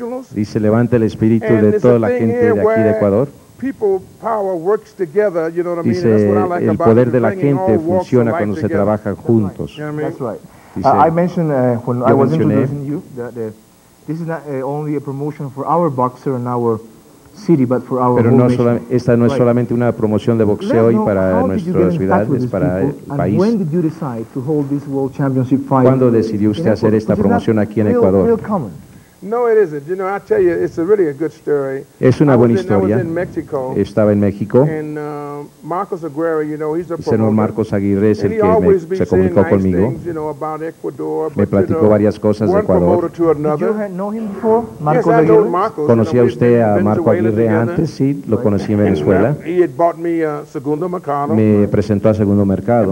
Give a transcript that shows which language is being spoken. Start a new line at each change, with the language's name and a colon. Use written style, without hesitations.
Spanish: Dice, levanta el espíritu de toda la gente de aquí de Ecuador.
English: People power works together, you know what I mean? Dice, that's what I like about it. El poder de la gente funciona cuando se trabaja juntos. That's right. Dice, I mentioned when I was introducing you that this is not only a promotion for our boxer and our city, but for our
Spanish: pero no esta no es solamente una promoción de boxeo y para nuestra ciudad, es para el país.
English: When did you decide to hold this world championship fight?
Spanish: ¿Cuándo decidió usted hacer esta promoción aquí en Ecuador?
English: No, it isn't. You know, I tell you, it's a really a good story.
Spanish: Es una buena historia.
English: I was in Mexico.
Spanish: Estaba en México.
English: And Marcos Aguirre, you know, he's a promoter.
Spanish: Señor Marcos Aguirre es el que se comunicó conmigo.
English: Nice things, you know, about Ecuador,
Spanish: me platicó varias cosas de Ecuador.
English: Did you know him before, Marcos yes, Aguirre? Marcos,
Spanish: ¿conocía usted a Marco Aguirre antes? Sí, lo conocí en Venezuela.
English: He had bought me a Segundo Mercado.
Spanish: Me presentó a Segundo Mercado.